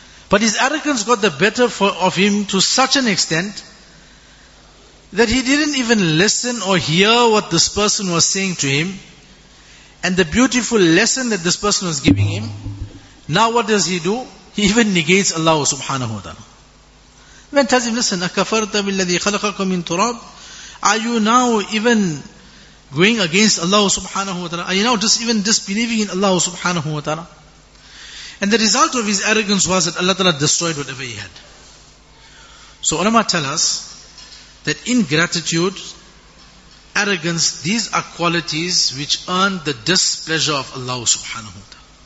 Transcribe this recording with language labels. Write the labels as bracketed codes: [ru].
[en] But his arrogance got the better of him to such an extent that he didn't even listen or hear what this person was saying to him. And the beautiful lesson that this person was giving him, now what does he do? He even negates Allah subhanahu wa ta'ala. When tells him, listen, [ar] أَكَفَرْتَ بِالَّذِي خَلَقَكُمْ مِنْ تُرَابِ. [en] Are you now even going against Allah subhanahu wa ta'ala? Are you now just even disbelieving in Allah subhanahu wa ta'ala? And the result of his arrogance was that Allah ta'ala destroyed whatever he had. So ulama tell us that ingratitude, arrogance, these are qualities which earn the displeasure of Allah subhanahu wa ta'ala.